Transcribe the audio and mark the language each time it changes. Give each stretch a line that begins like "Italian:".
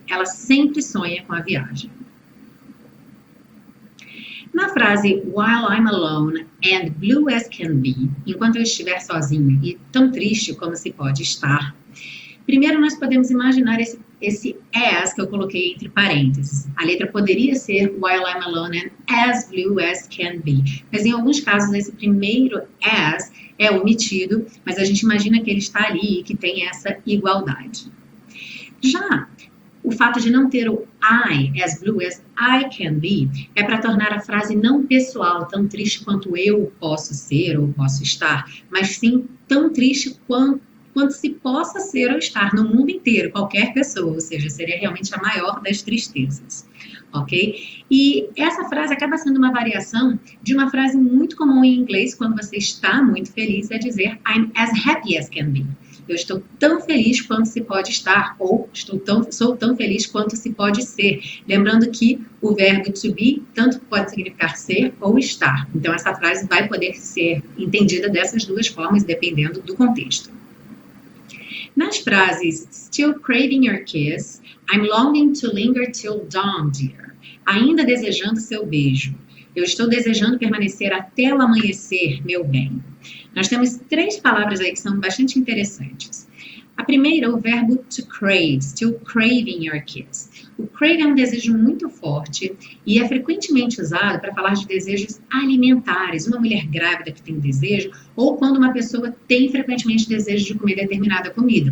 Portuguese: Ela sempre sonha com a viagem. Na frase
English: while I'm alone and blue as can be,
Portuguese: enquanto eu estiver sozinho e tão triste como se pode estar, primeiro nós podemos imaginar esse as que eu coloquei entre parênteses. A letra poderia ser
English: while I'm alone and as blue as can be.
Portuguese: Mas em alguns casos esse primeiro as é omitido, mas a gente imagina que ele está ali e que tem essa igualdade. Já o fato de não ter o
English: I as blue as I can be
Portuguese: é para tornar a frase não pessoal, tão triste quanto eu posso ser ou posso estar, mas sim tão triste quanto se possa ser ou estar no mundo inteiro, qualquer pessoa, ou seja, seria realmente a maior das tristezas, ok? E essa frase acaba sendo uma variação de uma frase muito comum em inglês quando você está muito feliz, é dizer
English: I'm as happy as can be.
Portuguese: Eu estou tão feliz quanto se pode estar, ou sou tão feliz quanto se pode ser. Lembrando que o verbo to be tanto pode significar ser ou estar. Então, essa frase vai poder ser entendida dessas duas formas, dependendo do contexto. Nas frases
English: still craving your kiss, I'm longing to linger till dawn, dear.
Portuguese: Ainda desejando seu beijo. Eu estou desejando permanecer até o amanhecer, meu bem. Nós temos três palavras aí que são bastante interessantes. A primeira, o verbo to crave,
English: still craving your kiss.
Portuguese: O crave é um desejo muito forte e é frequentemente usado para falar de desejos alimentares, uma mulher grávida que tem desejo, ou quando uma pessoa tem frequentemente desejo de comer determinada comida.